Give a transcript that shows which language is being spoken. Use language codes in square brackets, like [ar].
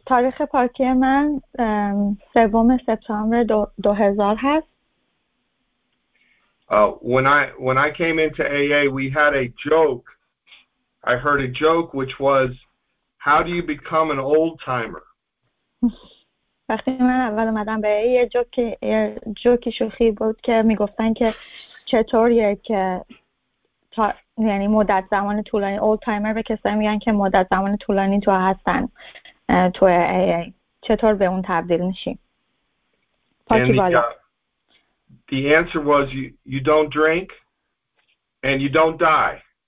[fa] تاریخ پاکی من سوم سپتامبر 2000 هست. [en] When I came into AA, we had a joke. I heard a joke which was, how do you become an old timer? [fa] وقتی من اول اومدم به یه جوکی شوخی بود که میگفتن که چطور یک یعنی مدت زمان طولانی اولد تایمر به کسایی میگن که مدت زمان طولانی تو هستن تو AA چطور به اون تبدیل میشی؟ پاکی بالا. [en] The answer was you don't drink and you don't die.